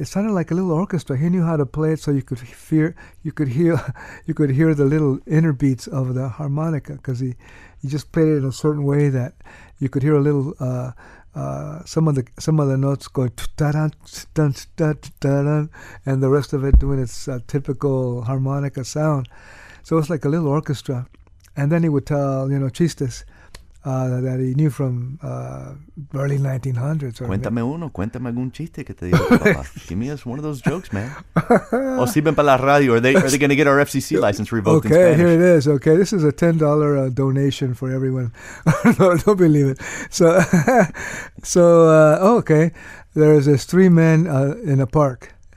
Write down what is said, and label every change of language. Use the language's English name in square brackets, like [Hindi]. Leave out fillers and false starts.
[English] It sounded like a little orchestra. He knew how to play it so you could hear the little inner beats of the harmonica, because he just played it in a certain way that you could hear a little some of the notes going ta-da-dun, ta-da-dun, ta-da-dun, and the rest of it doing its typical harmonica sound. So it was like a little orchestra. And then he would tell, you know, chistes that he knew from early 1900s. [Spanish] Cuéntame uno, cuéntame algún chiste que te digo, papá. [English] Give me us one of those jokes, man. [Spanish] O sirven para la radio. [English] Are they going to get our FCC license revoked, okay, in Spanish? Okay, here it is. Okay, this is a $10 donation for everyone. don't believe it. So, okay. There's this three men in a park.